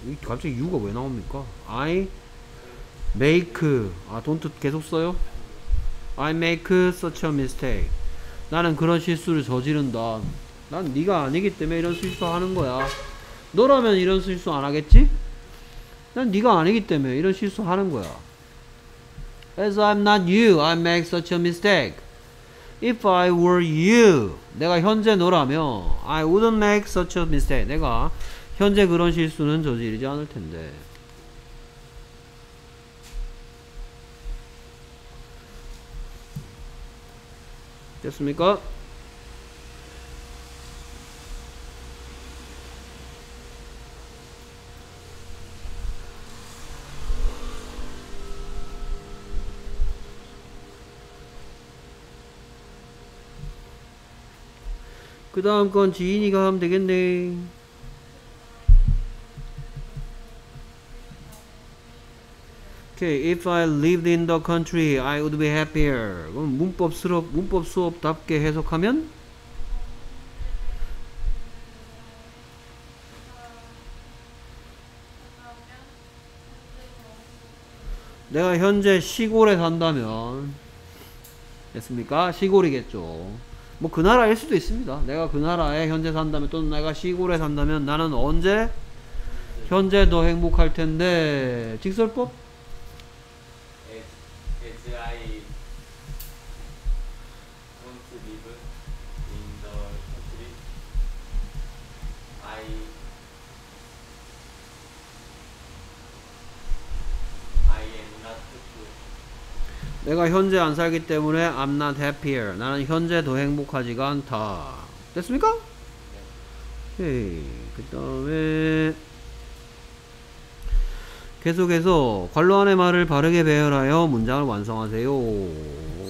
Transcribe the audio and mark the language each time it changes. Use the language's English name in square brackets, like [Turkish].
[Korean] 갑자기 you가 왜 나옵니까? [English] I make, [Korean] 아 don't 계속 써요? [English] I make such a mistake. [Korean] 나는 그런 실수를 저지른다. 난 네가 아니기 때문에 이런 실수 하는 거야. 너라면 이런 실수 안 하겠지? 난 네가 아니기 때문에 이런 실수 하는 거야. [English] 'As I'm not you, I make such a mistake. If I were you, [Korean] 내가 현재 너라면 [English] I wouldn't make such a mistake. [Korean] 내가 현재 그런 실수는 저지르지 않을 텐데. 됐습니까? 그 다음 건 지인이가 하면 되겠네. [English] 오케이, if I lived in the country, I would be happier. [Korean] 그럼 문법 수업답게 해석하면? 내가 현재 시골에 산다면, 됐습니까? 시골이겠죠. 뭐 그 나라일 수도 있습니다. 내가 그 나라에 현재 산다면 또는 내가 시골에 산다면 나는 언제? 현재 더 행복할 텐데. 직설법? [English] As I don't live in the country, I am not happy. [Korean] 내가 현재 안 살기 때문에 [English] I'm not happier. [Korean] 나는 현재 더 행복하지가 않다. 됐습니까? 오케이. 그 다음에 계속해서 관로 안의 말을 바르게 배열하여 문장을 완성하세요.